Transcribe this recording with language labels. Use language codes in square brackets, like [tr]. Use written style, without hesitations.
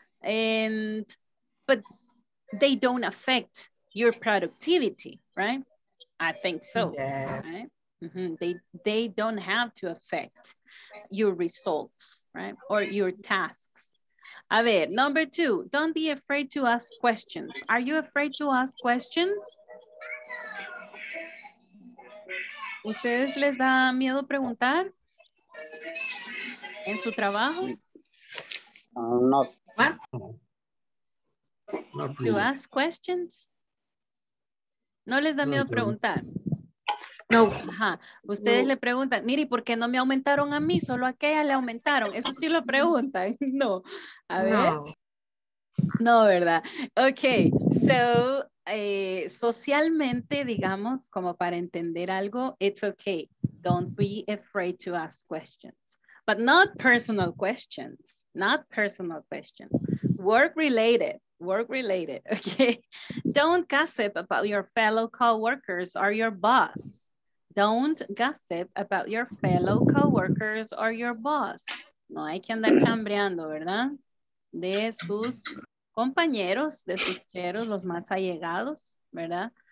[en] And but they don't affect your productivity, right? I think so. Yeah. Right? Mm-hmm. They don't have to affect your results, right? Or your tasks. [es] A ver, [en] number two, don't be afraid to ask questions. Are you afraid to ask questions? [es] ¿Ustedes les da miedo preguntar en su trabajo? No. [en] What? To ask questions? [es] ¿No les da miedo preguntar? No. Ajá. Ustedes le preguntan, mire, ¿por qué no me aumentaron a mí? Solo a aquella le aumentaron. Eso sí lo preguntan. No. A ver. No, no, ¿verdad? Ok. So, socialmente, digamos, como para entender algo, [en] it's okay. Don't be afraid to ask questions. But not personal questions. Not personal questions. Work-related. Work-related. Okay. Don't gossip about your fellow co-workers or your boss. Don't gossip about your fellow coworkers or your boss. [es] No hay que andar chambreando, ¿verdad? De sus compañeros, de sus cheros, los más allegados, ¿verdad?